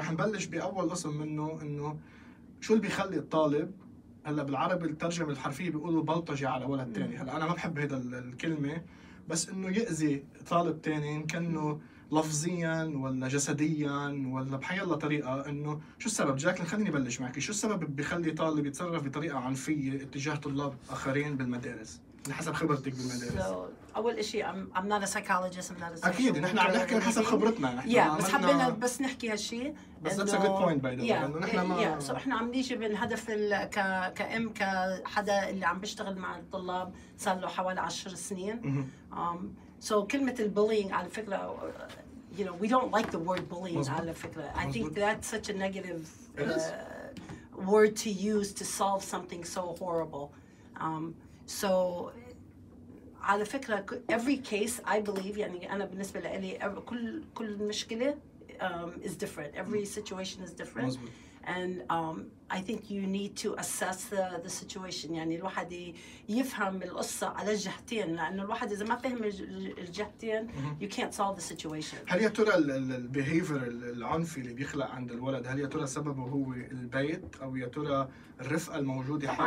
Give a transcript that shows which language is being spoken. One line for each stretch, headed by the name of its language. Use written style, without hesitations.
Arabic: رح نبلش بأول قسم منه، إنه شو اللي بيخلي الطالب، هلا بالعربي الترجمة الحرفية بيقولوا بلطجي على ولد تاني، هلا أنا ما بحب هذا الكلمة، بس إنه يأذي طالب تاني كأنه لفظياً ولا جسدياً ولا بحي الله طريقة. إنه شو السبب جاكلين، خليني بلش معك، شو السبب بيخلي طالب يتصرف بطريقة عنفية اتجاه طلاب آخرين بالمدارس حسب خبرتك بالمدارس؟ أول إشي
English: I'm not a psychologist, I'm not a psychologist.
Arabic: أكيد نحن عم نحكي حسب خبرتنا نحن. Yeah, بس حبينا بس نحكي هالشي.
English: بس that's a good point by the way.
Arabic: Yeah, إحنا عم نيجي من هدف كأم كحدا اللي عم بيشتغل مع الطلاب صار له حوالي 10 سنين.
English: So
Arabic: كلمة البولينج على فكرة
English: you know we don't like the word bullying على فكرة. I think that's such a negative word to use to solve something so horrible. So على فكرة every case I believe
Arabic: يعني أنا بالنسبة لي كل مشكلة
English: is different, every situation is different. And I think you need to assess the situation.
Arabic: يعني الواحد يفهم القصة على الجهتين، لأن الواحد إذا ما فهم الجهتين
English: you can't solve the situation.
Arabic: هل يا ترى ال behavior العنفي اللي بيخلق عند الولد، هل يا ترى سببه هو البيت أو يا ترى الرفقة الموجودة حوله؟